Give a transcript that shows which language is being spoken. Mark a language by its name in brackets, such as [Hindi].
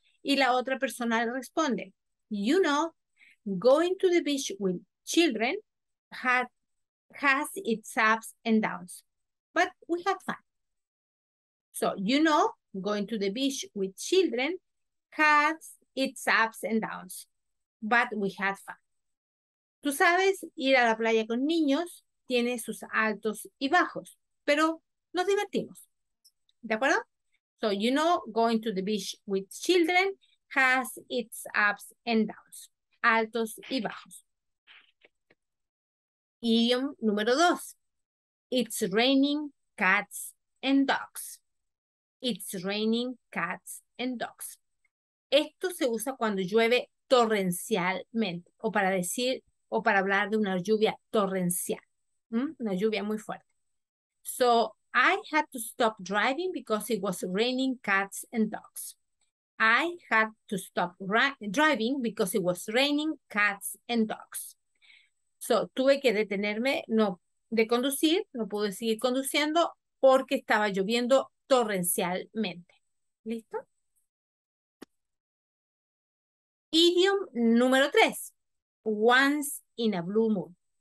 [Spanish] Y la otra persona le responde, [English] you know, going to the beach with children has its ups and downs, but we had fun. So, you know, going to the beach with children has its ups and downs, but we had fun. [Spanish] Tú sabes, ir a la playa con niños tiene sus altos y bajos, pero nos divertimos. ¿De acuerdo? [English] So, you know, going to the beach with children has its ups and downs, [Spanish] altos y bajos. [English] Idiom número 2. It's raining cats and dogs. It's raining cats and dogs. [Spanish] Esto se usa cuando llueve torrencialmente o para decir o para hablar de una lluvia torrencial. Una lluvia muy fuerte. [English] So, I had to stop driving because it was raining cats and dogs. I had to stop driving because it was raining cats and dogs. [Spanish] So, tuve que detenerme no pude seguir conduciendo porque estaba lloviendo torrencialmente. ¿Listo? [English] Idiom número 3. Once in a blue moon.